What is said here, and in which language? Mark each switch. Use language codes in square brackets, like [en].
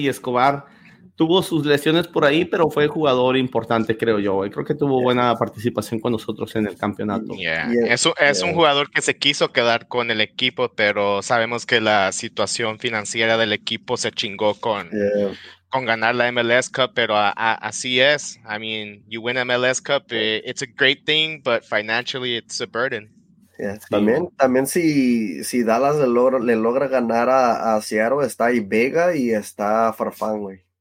[es] Y Escobar tuvo sus lesiones por ahí, pero fue jugador importante, creo yo, güey. Creo que tuvo buena participación con nosotros en el campeonato. Es un jugador que se quiso quedar con el equipo, pero sabemos que la situación financiera del equipo se chingó con ganar la MLS Cup, pero así es. [en] I mean, you win MLS Cup, it's a great thing, but financially it's a burden. [es] Yeah, también si Dallas le logra ganar a Seattle, está ahí Vega y está Farfán, güey.